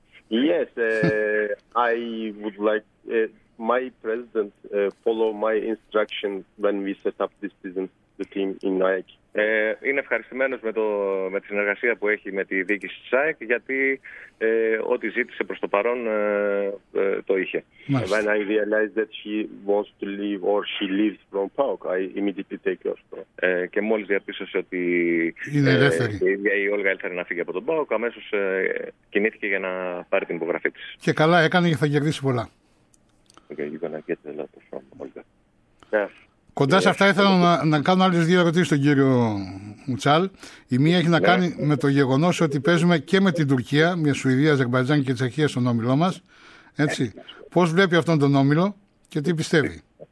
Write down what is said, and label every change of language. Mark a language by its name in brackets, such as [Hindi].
[English] Yes, I would like my president follow my instruction when we set up this season, the team in ΑΕΚ. [Greek] Είναι ευχαριστημένος με τη συνεργασία που έχει με τη διοίκηση της ΑΕΚ, γιατί ό,τι ζήτησε προς το παρόν το είχε. [English] When I realized that she wants to leave or she leaves from PAOK, I immediately take her. [Greek] Και μόλις διαπίστωσε ότι είναι ελεύθερη. Η Όλγα ήθελε να φύγει από τον PAOK, αμέσως κινήθηκε για να πάρει την υπογραφή της. Και καλά έκανε και θα κερδίσει πολλά. [English] Okay, you're gonna get a lot from Olga. Yes. [Greek] Κοντά σε αυτά ήθελα να κάνω άλλες δύο ερωτήσεις στον κύριο Μουτσάλ. Η μία έχει να κάνει με το γεγονός ότι παίζουμε και με την Τουρκία, μια Σουηδία, Αζερμπαϊτζάν και Τσεχία στον όμιλό μας. Έτσι. Πώς βλέπει αυτόν τον όμιλο και τι πιστεύει?